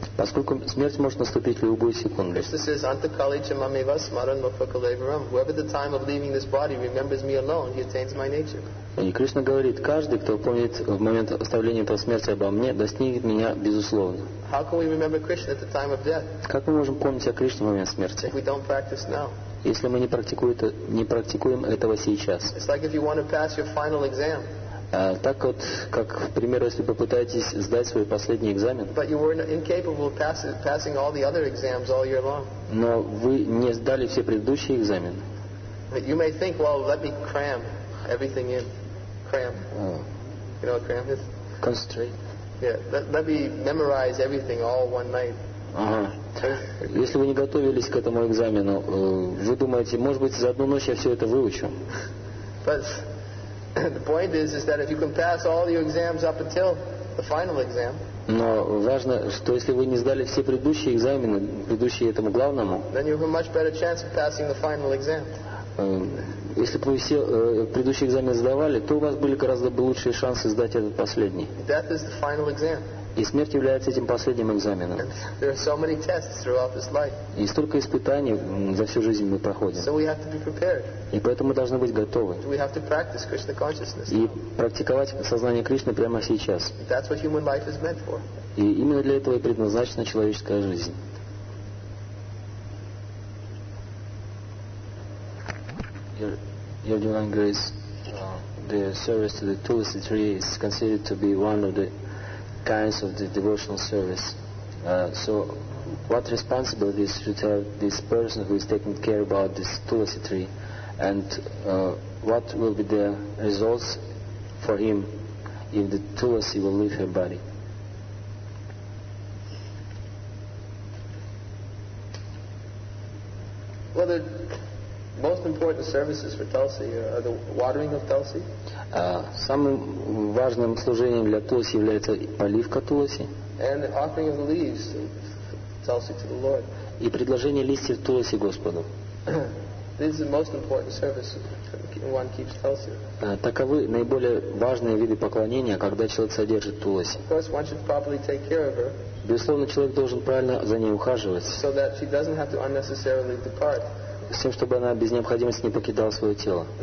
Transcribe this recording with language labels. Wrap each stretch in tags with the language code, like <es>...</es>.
<ru>Поскольку смерть может наступить в любую секунду.</ru> <en>Krishna says,</en> <sa>"Antakali chamameva smaran mukhakalevaram."</sa> <en>Whoever the time of leaving this body remembers me alone, he attains my nature.</en> <ru>И Кришна говорит, каждый, кто помнит в момент оставления этого смерти обо мне, достигнет меня безусловно.</ru> <en>How can we remember Krishna at the time of death?</en> <ru>Как мы можем помнить о Кришне в момент смерти?</ru> <en>If we don't practice now.</en> <ru>Если мы не практикуем этого сейчас.</ru> <en>It's like if you want to pass your final exam.</en> <ru>Так вот, как, к примеру, если попытаетесь сдать свой последний экзамен, но вы не сдали все предыдущие экзамены.</ru> <en>You may think, well, let me cram everything in. Cram. You know what cram is? Concentrate. Yeah, let me memorize everything all one night.</en> <ru>Ага. Если вы не готовились к этому экзамену, вы думаете, может быть, за одну ночь я все это выучу?</ru> <en>The point is that if you can pass all your exams up until the final exam.</en> <ru>Но важно, что если вы не сдали все предыдущие экзамены, предыдущие этому главному.</ru> <en>Then you have a much better chance of passing the final exam.</en> <ru>Если бы вы все предыдущие экзамены сдавали, то у вас были гораздо лучшие шансы сдать этот последний.</ru> <en>Death is the final exam.</en> <ru>И смерть является этим последним экзаменом.</ru> <en>There are so many tests throughout this life.</en> <ru>И столько испытаний за всю жизнь мы проходим.</ru> <en>So we have to be prepared.</en> <ru>И поэтому мы должны быть готовы.</ru> <en>We have to practice Krishna consciousness.</en> <ru>И практиковать сознание Кришны прямо сейчас.</ru> <en>That's what human life is meant for.</en> <ru>И именно для этого и предназначена человеческая жизнь.</ru> <en>Your divine grace, the service to the tulsi tree is considered to be one of the kinds of the devotional service. So what responsibilities should have this person who is taking care about this tulsi tree, and what will be the results for him if the tulsi will leave her body? Well, the most important services for tulsi are the watering of tulsi.</en> <ru>Самым важным служением для тулси является поливка тулси.</ru> <en>And the offering of the leaves of tulsi to the Lord.</en> <ru>И предложение листьев тулси Господу.</ru> <en>This is the most important service one keeps tulsi.</en> <ru>Таковы наиболее важные виды поклонения, когда человек содержит тулси.</ru> <en>Of course, one should properly take care of her.</en> <ru>Безусловно, человек должен правильно за ней ухаживать.</ru> <en>So that she doesn't have to unnecessarily depart.</en> <ru>С тем, чтобы она без необходимости не покидала свое тело.</ru>